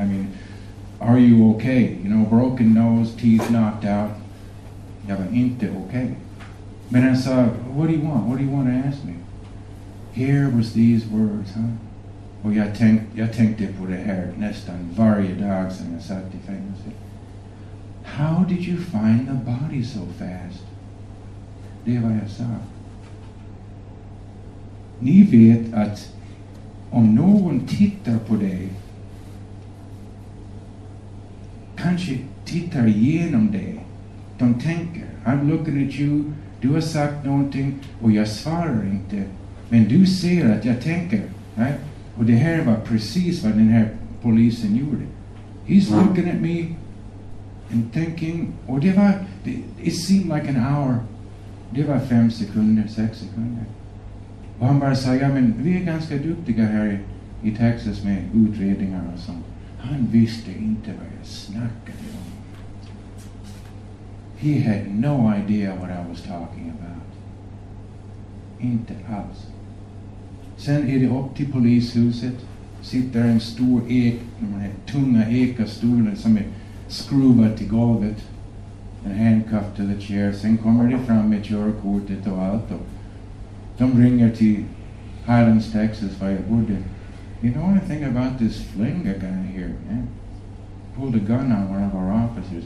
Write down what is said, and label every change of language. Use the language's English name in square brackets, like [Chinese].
[English] I mean, are you okay? You know, broken nose, teeth knocked out. [Swedish] Jag var inte okay. Men han sa, [English] what do you want? What do you want to ask me? Here was these words, huh? [Swedish] Och jag tänkte på det här nästan varje dag som jag satt i fängelse. [English] How did you find the body so fast? [Swedish] Det var jag sa. Ni vet att om någon tittar på dig, kanske tittar igenom dig, de tänker, [English] I'm looking at you, [Swedish] du har sagt någonting och jag svarar inte. Men du ser att jag tänker, right? Och det här var precis vad den här polisen gjorde. [English] He's looking at me and thinking, [Swedish] och det var, [English] it seemed like an hour. [Swedish] Det var 5 sekunder, 6 sekunder. Och han bara sa, ja men vi är ganska duktiga här i Texas med utredningar och sånt. Han visste inte vad jag snackade om. [English] He had no idea what I was talking about. [Swedish] Inte alls. Sen är det upp till polishuset, sitter en stor ek, den här tunga ekastolen som är skruvad till golvet, en handcuff till [English] the chair, [Swedish] sen kommer det fram med körkortet och allt. De ringer till Highlands, Texas, var jag bodde. [English] You know anything about this Flinga guy here, man? Pulled a gun on one of our officers.